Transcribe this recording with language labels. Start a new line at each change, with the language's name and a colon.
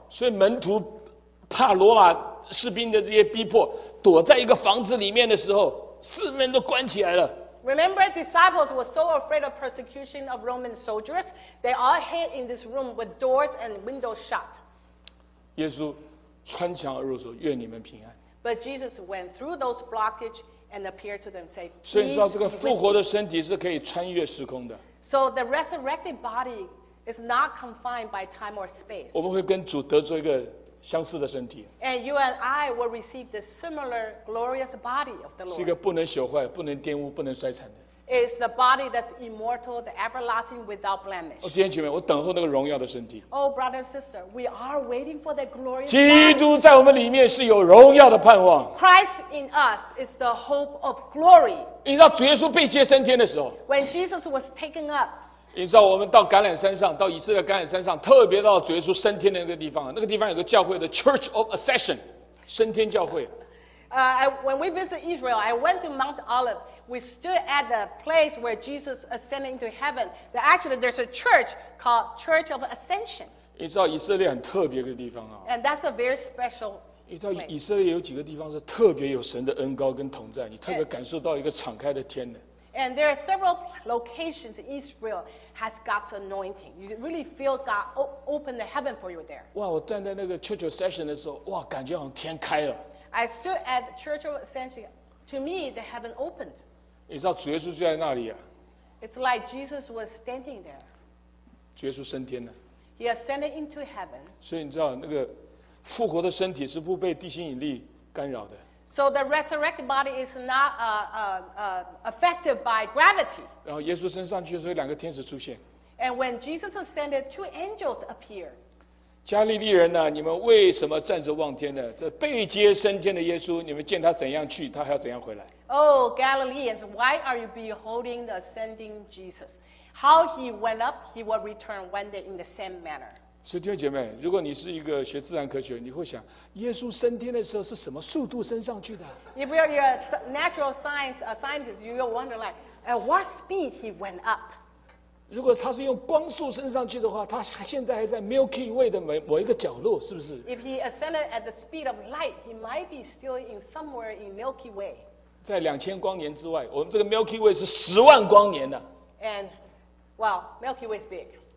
Chinese: 所以门徒怕罗马士兵的这些逼迫，躲在一个房子里面的时候，四门都关起来了。
English: Remember, disciples were so afraid of persecution of Roman soldiers, they all hid in this room with doors and windows shut.
Chinese: 耶稣穿墙而入说，愿你们平安。
English: But Jesus went through those blockage and appeared to them, saying, "Please."
Chinese: 所以你知道这个复活的身体是可以穿越时空的。
English: So the resurrected body is not confined by time or space.
Chinese: 我们会跟主得着一个相似的身体。
English: And you and I will receive the similar glorious body of the Lord.
Chinese: 是一个不能朽坏、不能玷污、不能衰残的。
English: It's the body that's immortal, the everlasting, without blemish.
Chinese: 弟兄姐妹，我等候那个荣耀的身体。
English: Oh, brother and sister, we are waiting for the glorious.
Chinese: 基督在我们里面是有荣耀的盼望。
English: Christ in us is the hope of glory.
Chinese: 你知道主耶稣被接升天的时候
English: ？When Jesus was taken up.
Chinese: 你知道我们到橄榄山上，到以色列橄榄山上，特别到主耶稣升天的那个地方，那个地方有个教会的 Church of Ascension， 升天教会。
English: When we visit Israel, I went to Mount Olive. We stood at the place where Jesus ascended into heaven. That actually there's a church called Church of Ascension.
Chinese: 你知道以色列很特别的地方啊。
English: And that's a very special.
Chinese: 你知道以色列有几个地方是特别有神的恩膏跟同在，你特别感受到一个敞开的天的。
English: And there are several locations in Israel has God's anointing. You really feel God open the heaven for you there.
Chinese: 哇，我站在那个 Church of Ascension 的时候，哇，感觉好像天开了。
English: I stood at Church of Ascension. To me, the heaven opened.
Chinese: 你知道主耶稣就在那里啊。
English: It's like Jesus was standing there.
Chinese: 主耶稣升天了。
English: He ascended into heaven.
Chinese: 所以你知道那个复活的身体是不被地心引力干扰的。
English: So the resurrected body is not affected by gravity.
Chinese: 然后耶稣升上去的时候，两个天使出现。
English: And when Jesus ascended, two angels appeared.
Chinese: 加利利人呢、啊？你们为什么站着望天呢？这被接升天的耶稣，你们见他怎样去，他还要怎样回来
English: ？Oh, Galileans, why are you beholding the ascending Jesus? How he went up, he will return one day in the same manner.
Chinese: 所以弟兄姐妹，如果你是一个学自然科学，你会想，耶稣升天的时候是什么速度升上去的
English: ？If you're a natural science a scientist, you will wonder like, at what speed he went up?
Chinese: 如果他是用光速升上去的话，他现在还在 Milky Way 的某一个角落，是不是
English: ？If he ascended at the speed of light, he might be still in somewhere in Milky Way.
Chinese: 在2000光年之外，我们这个 Milky Way 是100000光年的。
English: And, well, Milky Way is big.